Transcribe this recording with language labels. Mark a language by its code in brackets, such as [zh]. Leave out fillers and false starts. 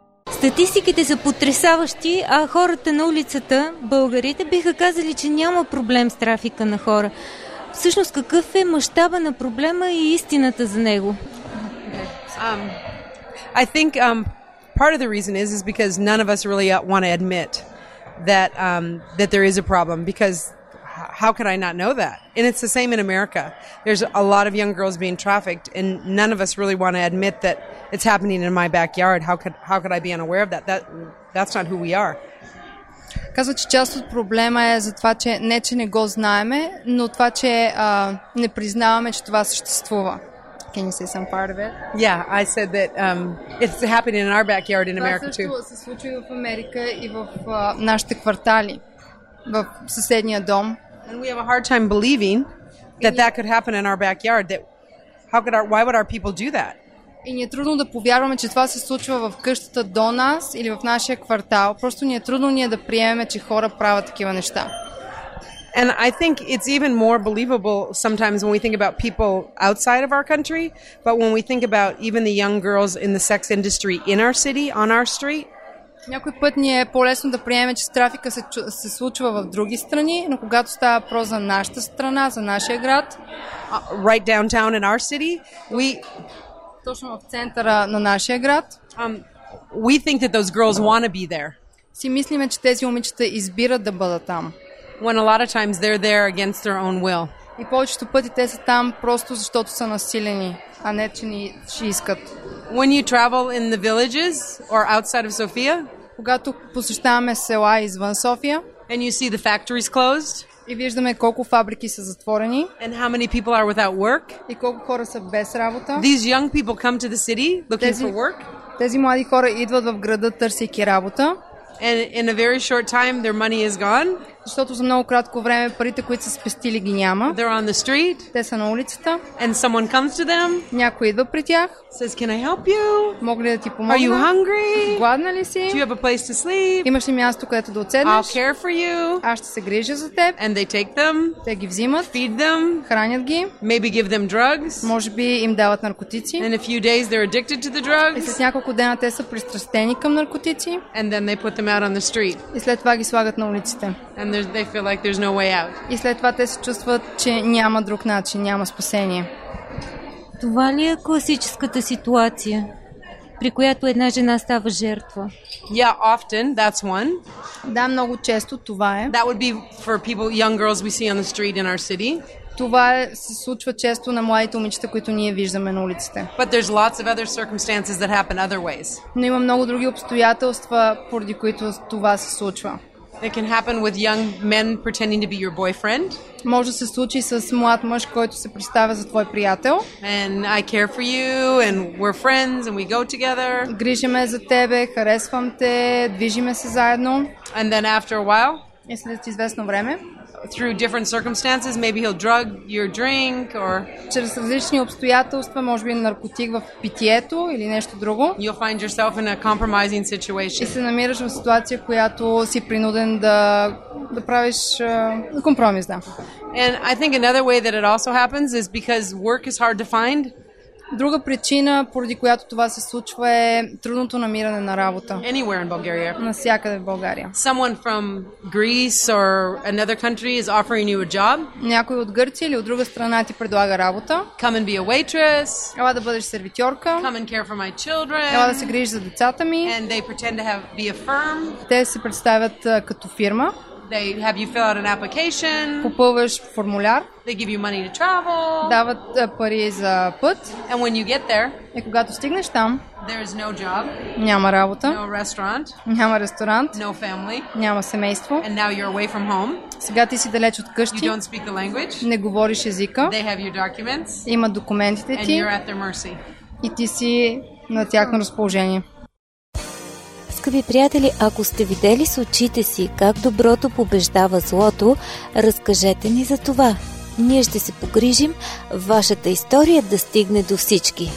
[bg] Статистиките са потресаващи, а хората на улицата, българите, биха казали, че няма проблем с трафика на хора. Всъщност, какъв е мащаба на проблема и истината за него? [en] I think part of the reason is because none of us really want to admit that that there is a problem, because how could I not know that? And it's the same in America. There's a lot of young girls being trafficked, and none of us really want to admit that it's happening in my backyard. How could I be unaware of that? That's not who we are. [bg] Казва, че част от проблема е за това, че не, че не го знаеме, но това, че не признаваме, че това съществува. [en] Can you say some part of it? Yeah, I said that it's happening in our backyard in America too. [bg] Това също се случва в Америка и в нашите квартали, в съседния дом. [en] And we have a hard time believing that that could happen in our backyard. Why would our people do that? [bg] И ни е трудно да повярваме, че това се случва в къщата до нас или в нашия квартал. Просто ни е трудно ние да приемем, че хора правят такива неща. [en] And I think it's even more believable sometimes when we think about people outside of our country, but when we think about even the young girls in the sex industry in our city, on our street. [bg] Някой път ни е по-лесно да приемем, че трафика се случва в други страни, но когато става въпрос за нашата страна, за нашия град, [en] right downtown in our city, we [bg] точно в центъра на нашия град. [en] We think that those girls want to be there. [bg] Си мислиме, че тези момичета избират да бъдат там. [en] When a lot of times they're there against their own will. [bg] И повечето пъти те са там просто защото са насилени, а не че ни ще искат. [en] When you travel in the villages or outside of Sofia? [bg] Когато посещаваме села извън София. [en] And you see the factories closed? [bg] И виждаме колко фабрики са затворени. [en] And how many people are without work? [bg] И колко хора са без работа. [en] These young people come to the city looking for work? [bg] Тези млади хора идват в града, търсейки работа. [en] And in a very short time their money is gone? [bg] Защото за много кратко време парите, които са спестили, ги няма. [en] They're on the street? [bg] Те са на улицата. [en] And someone comes to them? [bg] Някой идва при тях. [en] Says, can I help you? [bg] Мога ли да ти помогна? [en] Are you hungry? [bg] Гладна ли си? [en] Do you have a place to sleep? [bg] Имаш ли място, където да отседнеш? [en] I'll care for you. [bg] Аз ще се грижа за теб. [en] And they take them? [bg] Те ги взимат. [en] Feed them? [bg] Хранят ги. [en] Maybe give them drugs? [bg] Може би им дават наркотици. [en] And a few days they're addicted to the drugs? [bg] И след няколко дена те са пристрастени към наркотици. [en] And then they put them out on the street. [bg] И след това ги слагат на улиците. [en] And they feel like there's no way out. [bg] И след това те се чувстват, че няма друг начин, няма спасение. Това ли е класическата ситуация, при която една жена става жертва? [en] Yeah, often that's one. [bg] Да, много често това е. [en] That would be for people, young girls we see on the street in our city. [bg] Това се случва често на младите момичета, които ние виждаме на улиците. [en] But there's lots of other circumstances that happen other ways. [bg] Но има много други обстоятелства, поради които това се случва. [en] It can happen with young men pretending to be your boyfriend. [bg] Може да се случи с млад мъж, който се представя за твой приятел. [en] And I care for you and we're friends and we go together. [bg] Грижиме за тебе, харесвам те, движиме се заедно. [en] And then after a while? [bg] И след известно време? [en] through different circumstances, maybe he'll drug your drink or [bg] чрез различни обстоятелства, може би наркотик в питието или нещо друго. [en] You'll find yourself in a compromising situation. [bg] И се намираш в ситуация, която си принуден да правиш компромис, да. [en] And I think another way that it also happens is because work is hard to find. [bg] Друга причина, поради която това се случва, е трудното намиране на работа. [en] Anywhere in Bulgaria. [bg] Насякъде в България. [en] Someone from Greece or another country is offering you a job. [bg] Някой от Гърция или от друга страна ти предлага работа. [en] Come and be a waitress. [bg] Ела да бъдеш сервитьорка. [en] Come and care for my children. [bg] Ела да се грижиш за децата ми. [en] And they pretend to have be a firm. [bg] Те се представят като фирма. [en] They have you fill out an application. [bg] Попълваш формуляр. [en] They give you money to travel. [bg] Дават пари за път. [en] And when you get there, [bg] и когато стигнеш там, [en] there is no job. [bg] Няма работа. [en] No restaurant. [bg] Няма ресторант. [en] No family. [bg] Няма семейство. [en] And now you're away from home. [bg] Сега ти си далеч от къщи. [en] You don't speak the language. [bg] Не говориш езика. [en] They have your documents. [bg] Има документите ти. [en] And you're at their mercy. [bg] И ти си на тяхно разположение. Скъпи приятели, ако сте видели с очите си как доброто побеждава злото, разкажете ни за това. Ние ще се погрижим вашата история да стигне до всички.